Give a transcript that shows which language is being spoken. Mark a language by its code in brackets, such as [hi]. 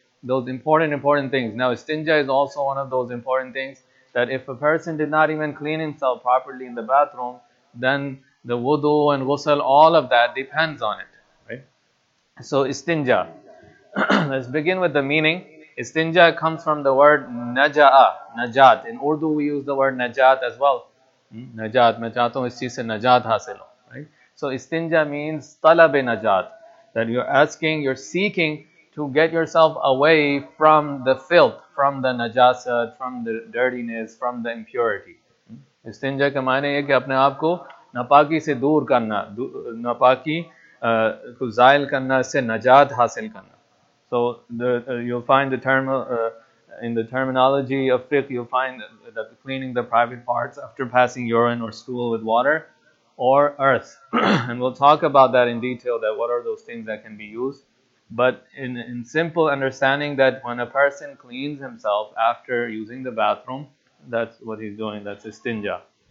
[en] Those important things. Now, istinja is also one of those important things, that if a person did not even clean himself properly in the bathroom, then the wudu and ghusl, all of that depends on it. Right? So, istinja. Let's begin with the meaning. Istinja comes from the word naja'a, najat. In Urdu, we use the word najat as well. [ur] نجات، میں چاہتا ہوں اس چیز سے نجات حاصل ہو۔ [en] So, istinja means talab-e najat, that you're asking, you're seeking to get yourself away from the filth, from the najasat, from the dirtiness, from the impurity. [ur] استنجا کا معنی یہ کہ اپنے آپ کو ناپاکی سے دور کرنا، ناپاکی کو زائل کرنا، سے نجات حاصل کرنا۔ [en] So you'll find the term in the terminology of fiqh, you'll find that cleaning the private parts after passing urine or stool with water or earth. And we'll talk about that in detail, that what are those things that can be used. But in simple understanding, that when a person cleans himself after using the bathroom, that's what he's doing, that's istinja.